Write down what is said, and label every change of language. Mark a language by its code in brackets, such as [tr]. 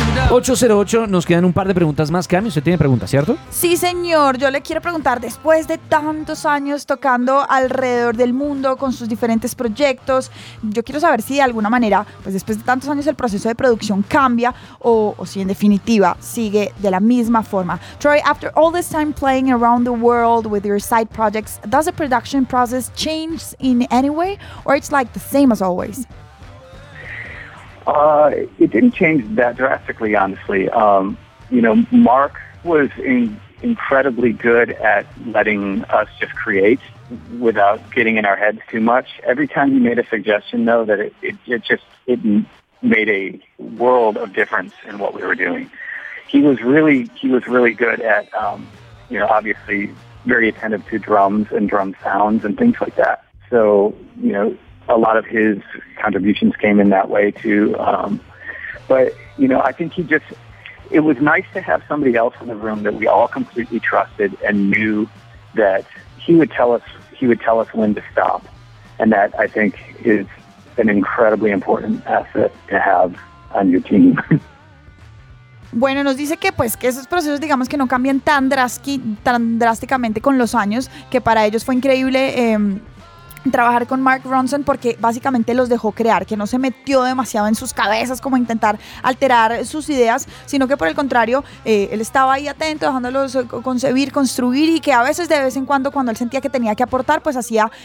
[es] 8:08, nos quedan un par de preguntas más. Cami, usted tiene preguntas, ¿cierto? Sí, señor. Yo le quiero preguntar, después de tantos años tocando alrededor del mundo con sus diferentes proyectos, yo quiero saber si de alguna manera, pues después de tantos años, el proceso de producción cambia o si en definitiva sigue de la misma forma. [en] Troy, after all this time playing around the world with your side projects, does the production process change in any way or it's like the same as always? It didn't change that drastically, honestly. You know, Mark was incredibly good at letting us just create without getting in our heads too much. Every time he made a suggestion, though, that it made a world of difference in what we were doing. He was really good at, you know, obviously very attentive to drums and drum sounds and things like that. So, you know, a lot of his contributions came in that way too. But, you know, I think it was nice to have somebody else in the room that we all completely trusted and knew that he would tell us when to stop. And that, I think, is an incredibly important asset to have and your team. [es] Bueno, nos dice que pues que esos procesos digamos que no cambian tan drásticamente con los años, que para ellos fue increíble trabajar con Mark Ronson porque básicamente los dejó crear, que no se metió demasiado en sus cabezas como intentar alterar sus ideas, sino que por el contrario, él estaba ahí atento, dejándolos concebir, construir, y que a veces, de vez en cuando él sentía que tenía que aportar, pues hacía